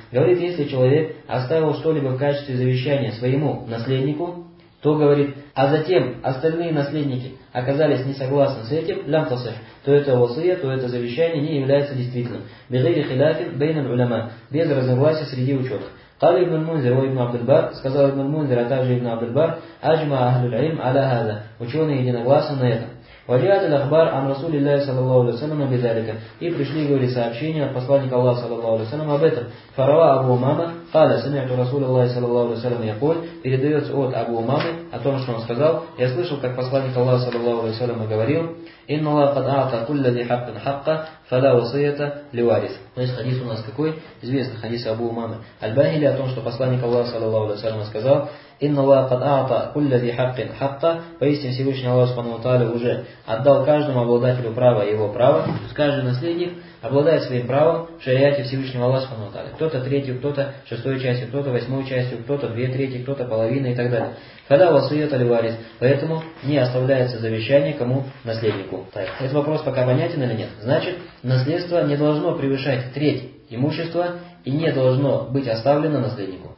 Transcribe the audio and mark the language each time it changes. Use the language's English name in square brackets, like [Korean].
[Russian] Говорит, если человек оставил что-либо в качестве завещания своему наследнику, то говорит, а затем остальные наследники оказались не согласны с этим, лям тасих, то это васия, то это завещание не является действительным. [Arabic] «Бигири хилахин бейну львлама», [Russian] без разногласия среди ученых. [Arabic] قال ابن المنذر وابن عبد البر [Russian] сказал [Arabic] ابن المنذر [Russian] а также [Arabic] ابن عبد البر اجمع اهل العلم على هذا [Russian] ученые единогласны на этом [Arabic] وجاءت الاخبار عن رسول الله صلى الله عليه وسلم بذلك [Russian] и пришли говорит сообщения от посланника Аллаха [Arabic] صلى الله عليه وسلم [Russian] об этом [Arabic] فروى ابو امامه قال سمعت رسول الله صلى الله عليه وسلم يقول [Russian] передается от [Arabic] ابو امامы [Russian] о том что он сказал я слышал как посланник Аллаха [Arabic] صلى الله عليه وسلم [Russian] говорил [Arabic] ان الله قد اعطى كل ذي حق حقه فلا وصيه لوارث [Russian] то есть хадис у нас какой известный хадис абу умамы аль-бахили о том что посланник Аллаха [Arabic] صلى الله عليه وسلم [Russian] сказал [Arabic] ان الله قد اعطى كل ذي حق حقه [Russian] поистине всевышний Аллах [Arabic] سبحانه وتعالى [Russian] уже отдал каждому обладателю права его право то есть каждый наследник обладает своим правом в шариате Всевышнего Аллаха Субхану Тааля. Кто-то третью, кто-то шестой частью, кто-то восьмой частью, кто-то две трети, кто-то половина и так далее. Когда у вас свет оливарит, поэтому не оставляется завещание кому? Наследнику. Так, этот вопрос пока понятен или нет? Значит, наследство не должно превышать треть имущества и не должно быть оставлено наследнику.